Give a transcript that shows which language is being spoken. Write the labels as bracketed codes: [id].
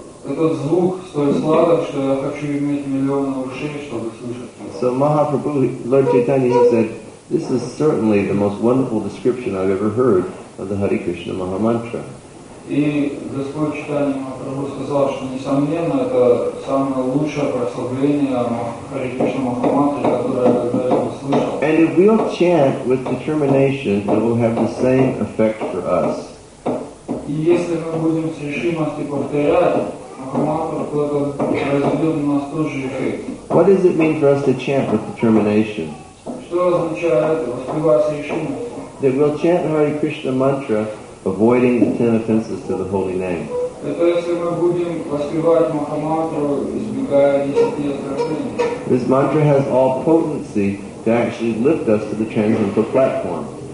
[ru] этот звук столь сладок, что я хочу иметь миллионы ушей, чтобы слышать его. [en] So Mahaprabhu, Lord Chaitanya, he said, this is certainly the most wonderful description I've ever heard of the Hare Krishna Mahamantra. [ru] И Господь Чайтанья Махапрабху сказал, что, несомненно, это самое лучшее прославление Харе Кришна Махамантры, которое я когда-либо слышал. [en] And if we'll chant with determination, it will have the same effect for us. [ru] И если мы будем с решимостью повторять Махамантру, то это произведет у нас тот же эффект. [en] What does it mean for us to chant with determination? [ru] Что означает воспевать с решимостью? [en] That we'll chant the Hare Krishna Mantra, avoiding the 10 offenses to the Holy Name. This mantra has all potency to actually lift us to the transcendental platform.